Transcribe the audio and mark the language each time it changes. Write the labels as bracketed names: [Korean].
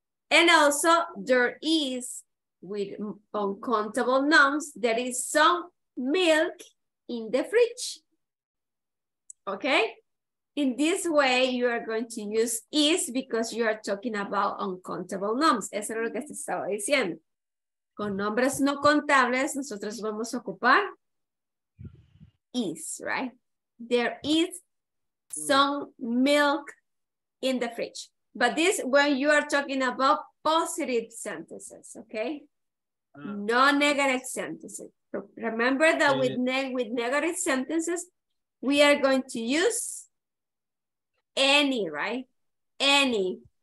[English] And also there is with uncountable nouns, there is some milk in the fridge, okay? In this way, you are going to use is because you are talking about uncountable nouns. [Spanish] Eso es lo que se estaba diciendo. Con nombres no contables, nosotros vamos a ocupar is, right? [English] There is some milk in the fridge. But this, when you are talking about positive sentences, okay? No negative sentences. Remember that with negative sentences, we are going to use any, right? Any.